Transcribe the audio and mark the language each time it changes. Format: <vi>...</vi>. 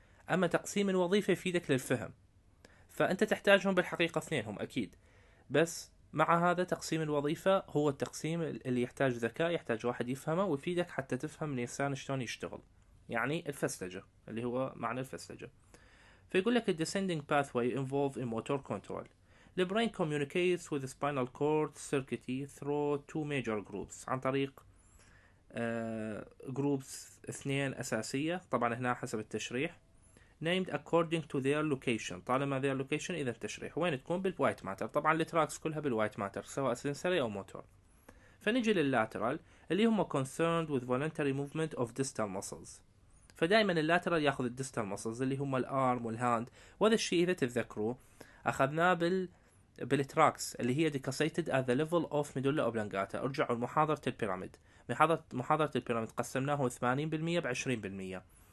<ar>اما تقسيم الوظيفه يفيدك للفهم، فانت تحتاجهم بالحقيقه اثنينهم اكيد، بس مع هذا تقسيم الوظيفه هو التقسيم اللي يحتاج ذكاء، يحتاج واحد يفهمه ويفيدك حتى تفهم الانسان شلون يشتغل، يعني الفسلجه اللي هو معنى الفسلجه. فيقول لك</ar> <en>descending pathway involve a motor control. The brain communicates with the spinal cord circuitry through two major groups.</en> <ar>عن طريق groups اثنين أساسية، طبعا هنا حسب التشريح.</ar> <en>Named according to their location.</en> <ar>طالما</ar> <en>their location</en> <ar>إذا التشريح وين تكون؟ بال white matter. طبعا التراكس كلها بال white matter، سواء sensory أو motor. فنجي لللاترال اللي هم</ar> <en>concerned with voluntary movement of distal muscles.</en> <ar>فدائما اللاترال ياخذ الديستال ماسلز اللي هم الارم والهاند، وهذا الشيء اذا تتذكروه اخذناه بالتراكس اللي هي</ar> <en>ديكاسيتد ات ذا ليفل اوف ميدولا اوبلانجاتا.</en> <ar>ارجعوا لمحاضره البيراميد، محاضره البيراميد قسمناه 80% ب 20%.</ar>